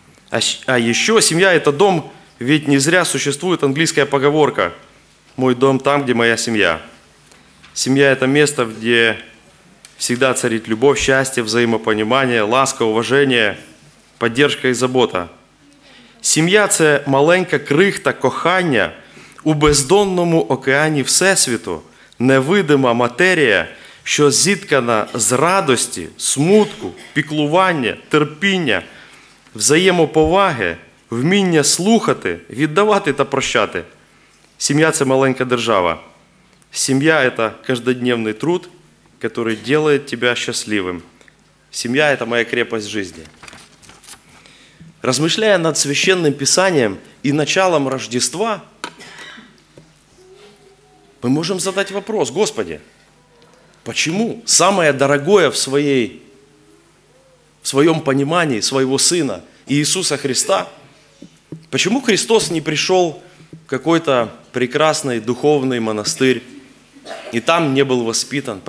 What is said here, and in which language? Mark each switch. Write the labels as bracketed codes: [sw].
[ru] А еще семья – это дом, ведь не зря существует английская поговорка «Мой дом там, где моя семья». Семья – это место, где всегда царит любовь, счастье, взаимопонимание, ласка, уважение, поддержка и забота. [uk] Семья – це маленька крихта кохання у бездонному океані Всесвіту, невидима матерія, що зіткана з радості, смутку, піклування, терпіння, взаємоповаги, вміння слухати, віддавати та прощати. Сім'я – це маленька держава. Сім'я – це кожноденний труд, який робить тебе щасливим. Сім'я – це моя крепость життя. [ru] Размышляя над Священным Писанием и началом Рождества, мы можем задать вопрос: Господи, почему самое дорогое в своем понимании своего Сына Иисуса Христа, почему Христос не пришел в какой-то прекрасный духовный монастырь и там не был воспитан?